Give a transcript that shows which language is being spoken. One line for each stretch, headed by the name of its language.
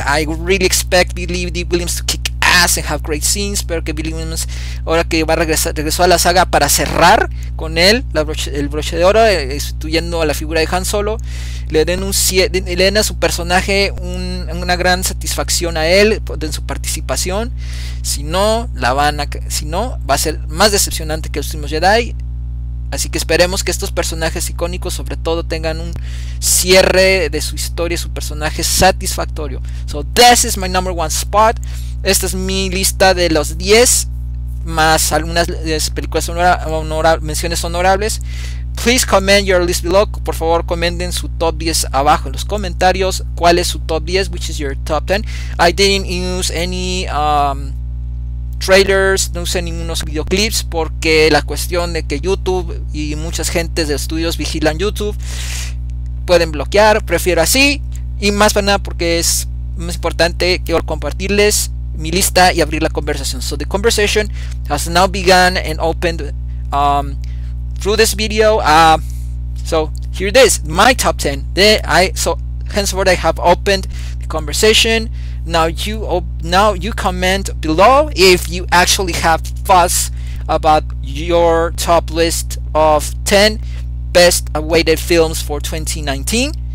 English: I really expect Billy Dee Williams to kick ass and have great scenes.
Spanish: Espero que Billy Williams, ahora que va a regresar a la saga para cerrar con él, el broche de oro, sustituyendo a la figura de Han Solo, le den a su personaje una gran satisfacción a él en su participación. Si no, va a ser más decepcionante que los últimos Jedi. Así que esperemos que estos personajes icónicos, sobre todo, tengan un cierre de su historia, su personaje satisfactorio.
English: So this is my number one spot.
Spanish: Esta es mi lista de los 10 más algunas películas menciones honorables.
English: Please comment your list below.
Spanish: Por favor, comenten su top 10 abajo en los comentarios. ¿Cuál es su top 10?
English: Which is your top 10? I didn't use any trailers,
Spanish: no usé ningunos videoclips porque la cuestión de que YouTube y muchas gentes de estudios vigilan YouTube, pueden bloquear, prefiero así, y más para nada porque es más importante que compartirles mi lista y abrir la conversación.
English: So the conversation has now begun and opened through this video. So here it is, my top 10. Henceforth I have opened the conversation. Now you comment below if you actually have thoughts about your top list of 10 best awaited films for 2019.